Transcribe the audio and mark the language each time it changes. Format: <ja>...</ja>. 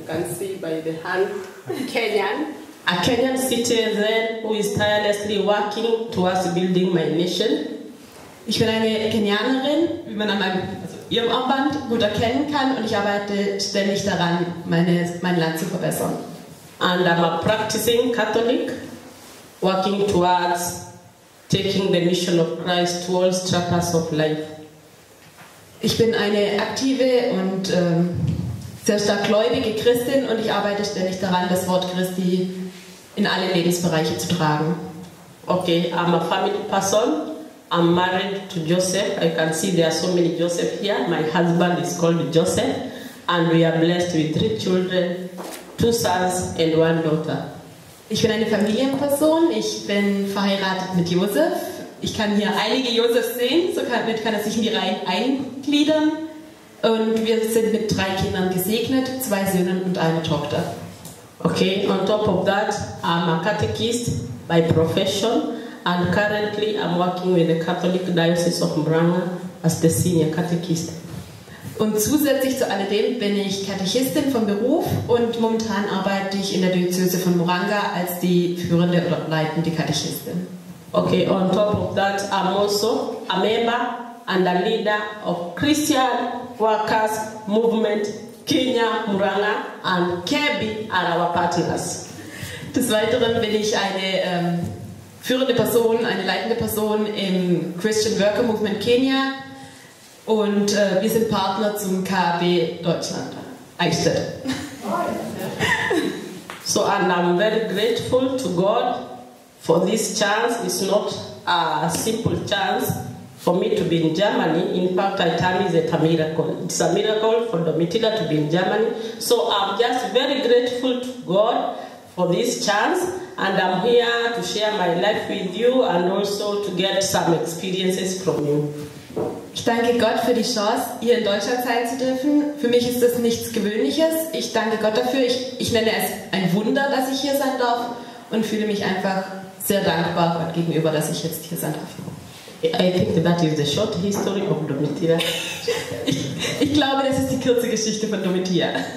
<en>You can see by the hand, Kenyan. A Kenyan citizen who is tirelessly working towards building my nation.</en> <de>Ich bin eine Kenianerin, wie man an meinem, also ihrem Armband gut erkennen kann, und ich arbeite ständig daran, mein Land zu verbessern.</de> <en>And I'm a practicing Catholic, working towards taking the mission of Christ to all strata of life.</en> <de>Ich bin eine aktive und sehr stark gläubige Christin und ich arbeite ständig daran, das Wort Christi in alle Lebensbereiche zu tragen.</de> <en>Okay, I'm a family person. I'm married to Joseph. I can see there are so many Joseph here. My husband is called Joseph and we are blessed with 3 children, 2 sons and 1 daughter.</en> <de>Ich bin eine Familienperson, ich bin verheiratet mit Josef. Ich kann hier einige Josefs sehen, somit kann er sich in die Reihe eingliedern. Und wir sind mit 3 Kindern gesegnet, 2 Söhnen und 1 Tochter.</de> <en>Okay, on top of that, I'm a catechist by profession and currently I'm working with the Catholic Diocese of Muranga as the senior catechist.</en> <de>Und zusätzlich zu alledem bin ich Katechistin von Beruf und momentan arbeite ich in der Diözese von Moranga als die führende oder leitende Katechistin.</de> <en>Okay, on top of that, I'm also a member and a leader of Christian Workers Movement Kenya, Moranga and KEBI are our partners.</en> <de>Des Weiteren bin ich eine führende Person, eine leitende Person im Christian Worker Movement Kenia und wir sind Partner zum KAB Deutschland, Eichstätt.</de> <en>So, and I'm very grateful to God for this chance. It's not a simple chance for me to be in Germany. In fact, I tell you it's a miracle. It's a miracle for Domitila to be in Germany. So I'm just very grateful to God for this chance, and I'm here to share my life with you and also to get some experiences from you.</en> <de>Ich danke Gott für die Chance, hier in Deutschland sein zu dürfen. Für mich ist das nichts Gewöhnliches. Ich danke Gott dafür. Ich nenne es ein Wunder, dass ich hier sein darf und fühle mich einfach sehr dankbar Gott gegenüber, dass ich jetzt hier sein darf.</de> <en>I think that is the short history of Domitila.</en> <de>Ich glaube, das ist die kurze Geschichte von Domitila.</de>